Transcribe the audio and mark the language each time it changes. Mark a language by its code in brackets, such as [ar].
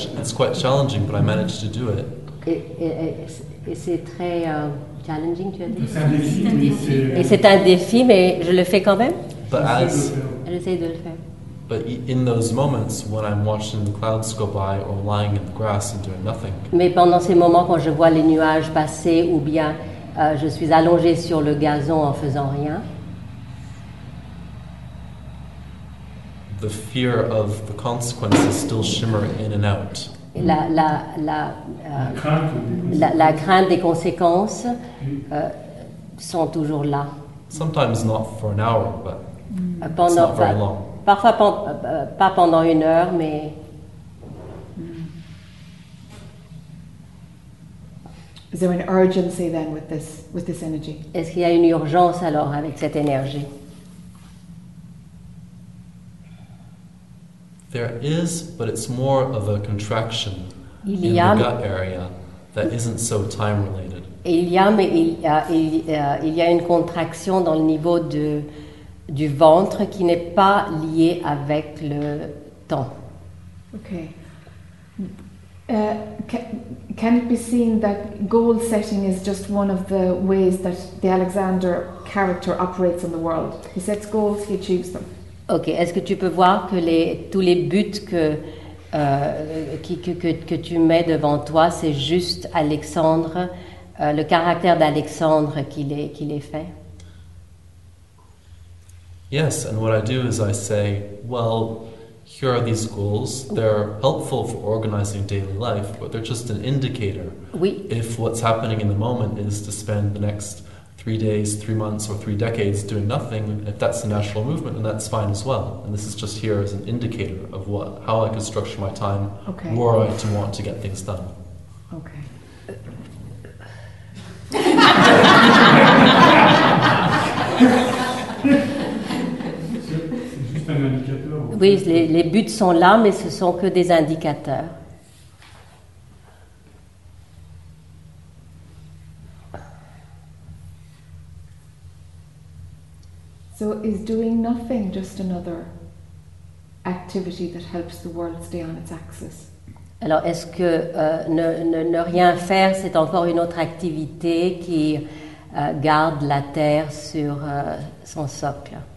[en] It's quite challenging, but I managed to do it. [fr] Et c'est très challenging, tu as dit. C'est un défi, mais je le fais quand même. J'essaie de le faire. [en] But in those moments when I'm watching the clouds go by or lying in the grass and doing nothing. [fr] Mais pendant ces moments quand je vois les nuages passer ou bien je suis allongée sur le gazon en faisant rien. [en] The fear of the consequences still shimmer in and out. [fr] La crainte des conséquences sont toujours là. [en] Sometimes not for an hour, but [fr] pendant, [en] it's not very long. [fr] Parfois, pas pendant une heure, mais... [en] Is there an urgency then with this energy? [fr] Est-ce qu'il y a une urgence alors avec cette énergie? [en] There is, but it's more of a contraction in the gut area that isn't so time related. [fr] Il y a une contraction dans le niveau de du ventre qui n'est pas lié avec le temps. [en] Okay. Can it be seen that goal setting is just one of the ways that the Alexander character operates in the world? He sets goals, he achieves them. Okay. [fr] Est-ce que tu peux voir que tous les buts que tu mets devant toi, c'est juste Alexandre, le caractère d'Alexandre qui les fait? [en] Yes, and what I do is I say, well, here are these goals. They're helpful for organizing daily life, but they're just an indicator. [fr] Oui. [en] If what's happening in the moment is to spend the next 3 days, 3 months, or 3 decades doing nothing, if that's the natural movement, then that's fine as well. And this is just here as an indicator of how I can structure my time, okay, were I to want to get things done. Okay. [fr] Oui, les buts sont là, mais ce sont que des indicateurs. [en] So is doing nothing just another activity that helps the world stay on its axis? [fr] Alors, est-ce que ne rien faire, c'est encore une autre activité qui garde la Terre sur son socle?